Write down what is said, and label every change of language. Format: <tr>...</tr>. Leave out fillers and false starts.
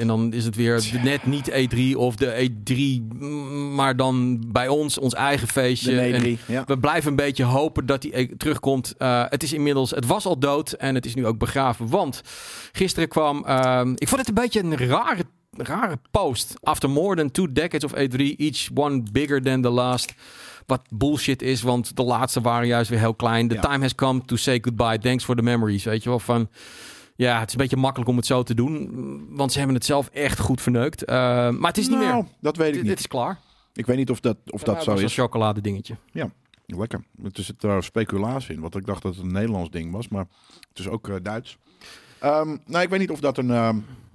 <nl>En dan is het weer net niet E3 of de E3. Maar dan bij ons eigen feestje. De E3, en we blijven een beetje hopen dat die terugkomt. Het was al dood en het is nu ook begraven. Want gisteren kwam... ik vond het een beetje een rare post.</nl> <en>After more than 2 decades of E3, each one bigger than the last...</en> <nl>Wat bullshit is, want de laatste waren juist weer heel klein.</nl> <en>The time has come to say goodbye. Thanks for the memories.</en> <nl>Weet je wel van. Ja, het is een beetje makkelijk om het zo te doen. Want ze hebben het zelf echt goed verneukt. Maar het is niet meer. Dat weet ik niet. Dit is klaar. Ik weet niet of dat zo is. Een chocolade dingetje. Ja, lekker. Het is er speculatie in. Want ik dacht dat het een Nederlands ding was. Maar het is ook Duits. Ik weet niet of dat een.</nl>